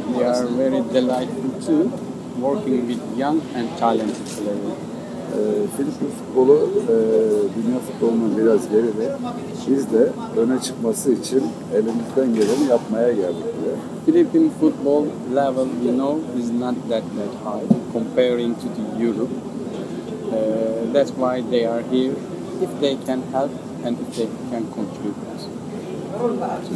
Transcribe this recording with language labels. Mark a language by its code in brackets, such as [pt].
[en] We are very delighted to working with young and talented players. [tr] Filipin futbolu dünya futbolunun biraz geride. Biz de öne çıkması için elimizden geleni yapmaya geldik. [en] Filipin futbol level, you know, is not that high comparing to the Europe. That's why they are here. If they can help and if they can contribute.